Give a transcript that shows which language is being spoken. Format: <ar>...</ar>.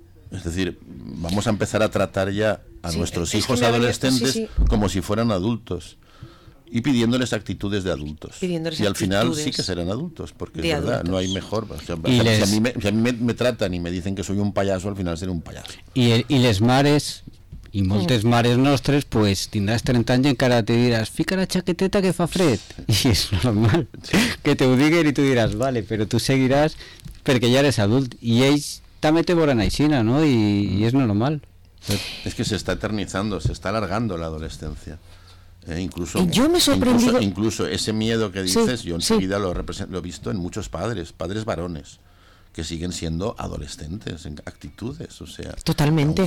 <es>Es decir, vamos a empezar a tratar ya a nuestros hijos adolescentes como si fueran adultos y pidiéndoles actitudes de adultos. Y al final sí que serán adultos, porque es verdad, no hay mejor. O sea, si a mí me tratan y me dicen que soy un payaso, al final seré un payaso.</es> <ca>Y les mares... I moltes mares nostres, pues, tindràs 30 anys i encara te diràs, fica la chaqueteta que fa fred. I és normal que te ho diguin i tu diràs, vale, però tu seguiràs perquè ja eres adult. I ells també te veuran aixina, no? I és normal.</ca> <es>Es que se está eternizando, se está alargando la adolescencia. Incluso, yo me he sorprendido... incluso ese miedo que dices, sí, yo enseguida sí. lo he visto en muchos padres varones. Que siguen siendo adolescentes en actitudes, o sea, totalmente.</es>